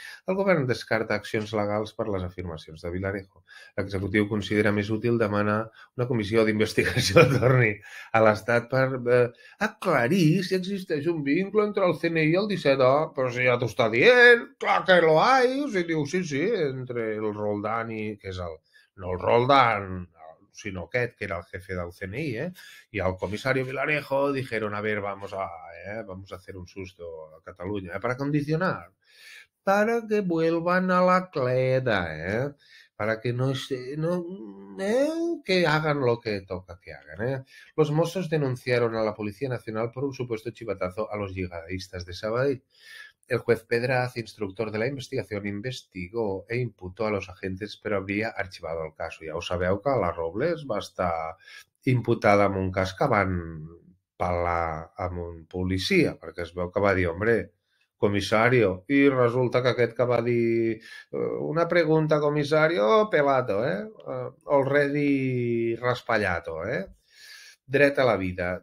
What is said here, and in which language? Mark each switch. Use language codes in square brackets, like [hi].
[ca] El govern descarta accions legals per les afirmacions de Vilarejo. L'executiu considera més útil demanar una comissió d'investigació que torni a l'Estat per aclarir si existeix un vincle entre el CNI i el 17A. Però si ja t'ho està dient, clar que [es] lo hay. [ca] Si diu sí, entre el Roldán i... Que és el... No el Roldán, sinó aquest, que era el jefe del CNI, eh? [es] I el comissari Vilarejo dijeron, a ver, vamos a hacer un susto a Catalunya, para condicionar, para que vuelvan a la cleda, eh? para que no se, no, que hagan lo que toca que hagan, ¿eh? Los Mossos denunciaron a la Policía Nacional por un supuesto chivatazo a los yihadistas de Sabadell. El juez Pedraz, instructor de la investigación, investigó e imputó a los agentes, pero habría archivado el caso. [ca] Ya os sabeu que a la Robles va estar imputada amb un cas que van parlar amb un policia, perquè es veu que va dir, [es] hombre, comissario, [ca] i resulta que aquest que va dir una pregunta, comissario, pelato, already raspallato, eh? Dret a la vida.